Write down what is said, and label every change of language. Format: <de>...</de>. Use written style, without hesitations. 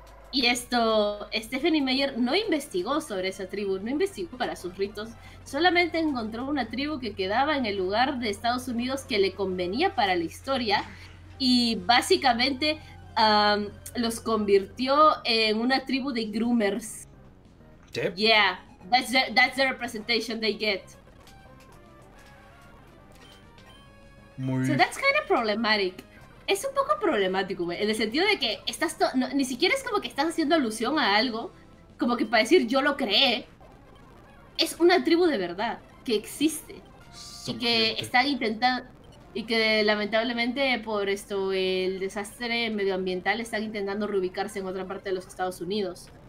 <es>Y esto, Stephanie Meyer no investigó sobre esa tribu, no investigó para sus ritos. Solamente encontró una tribu que quedaba en el lugar de Estados Unidos que le convenía para la historia. Y básicamente... los convirtió en una tribu de groomers.</es> <en>Yep. Yeah, that's the representation they get.</en> <es>Muy...</es> <en>So that's kind of problematic.</en> <es>Es un poco problemático, güey, en el sentido de que estás ni siquiera es como que estás haciendo alusión a algo, como que para decir yo lo creé. Es una tribu de verdad que existe y que están intentando. Y que lamentablemente por esto, el desastre medioambiental, están intentando reubicarse en otra parte de los Estados Unidos.</es>